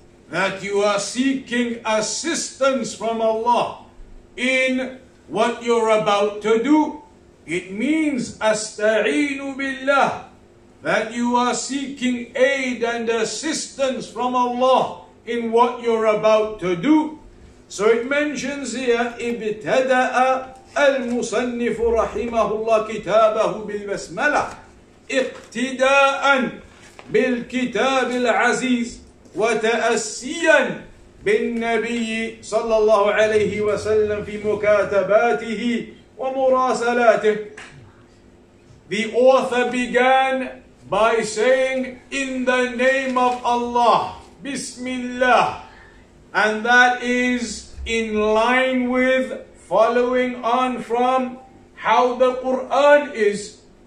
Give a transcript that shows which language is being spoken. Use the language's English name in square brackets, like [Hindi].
[English] That you are seeking assistance from Allah in what you're about to do. It means astaghinu billah, that you are seeking aid and assistance from Allah in what you're about to do. So it mentions here, [Arabic] ibtada'a المصنف رحمه الله كتابه بالبسملة اقتداء بالكتاب العزيز وتأسيا بالنبي صلى الله عليه وسلم في مكاتباته ومراسلاته. [English] The author began by saying, in the name of Allah, Bismillah, and that is in line with following on from how the Qur'an is.